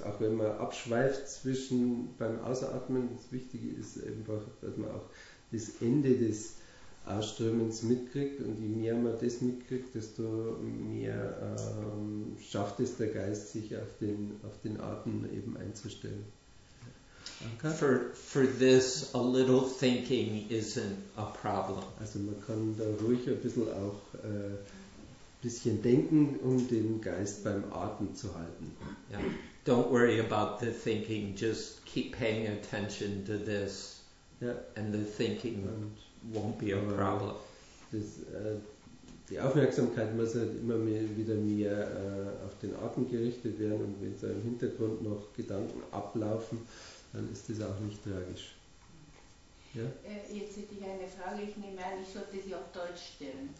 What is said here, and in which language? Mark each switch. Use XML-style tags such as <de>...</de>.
<de>Auch wenn man abschweift zwischen beim Ausatmen, das Wichtige ist einfach, dass man auch das Ende des Ausströmens mitkriegt. Und je mehr man das mitkriegt, desto mehr schafft es der Geist, sich auf den Atem eben einzustellen. Okay.</de> <en>For this, a little thinking isn't a problem.</en> <de>Also man kann da ruhig ein bisschen auch bisschen denken, um den Geist beim Atmen zu halten.</de> <en>Yeah. Don't worry about the thinking, just keep paying attention to this. Yeah. And the thinking won't be a problem.</en> <de>Die Aufmerksamkeit muss halt immer wieder mehr auf den Atem gerichtet werden, und wenn da im Hintergrund noch Gedanken ablaufen, dann ist das auch nicht tragisch. Ja? Jetzt hätte ich eine Frage, ich nehme an, ich sollte sie auf Deutsch stellen.</de>